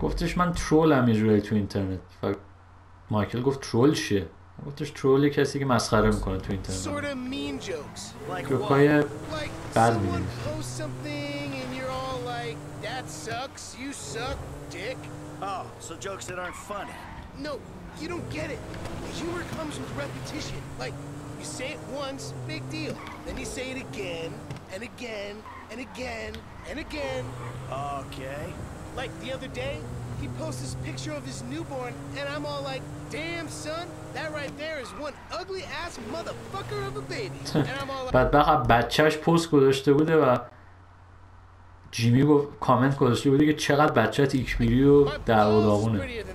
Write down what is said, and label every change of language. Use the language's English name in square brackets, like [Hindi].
[Persian] گفتش من ترولم یه جوری تو اینترنت. مایکل گفت ترول چیه؟ گفتش ترول یه کسی که مسخره میکنه تو اینترنت. [English] Sort of mean jokes. Like what? [Persian] بعد میگه. [English] Someone posts something and you're all like, that sucks, you suck, dick. Oh, so jokes that aren't funny. No, you don't get it. Humor comes with repetition. Like, you say it once, big deal. Then you say it again, and again, and again, and again. Okay. Like, the other day, he posts this picture of his newborn, and I'm all like, damn, son, that right there is one ugly-ass motherfucker of a baby. [Persian] بعد بقیه بچهش پست گذاشته بوده و جیمی گفت کامنت گذاشته بودی که چقدر بچهت ایک میری و در و داغونه.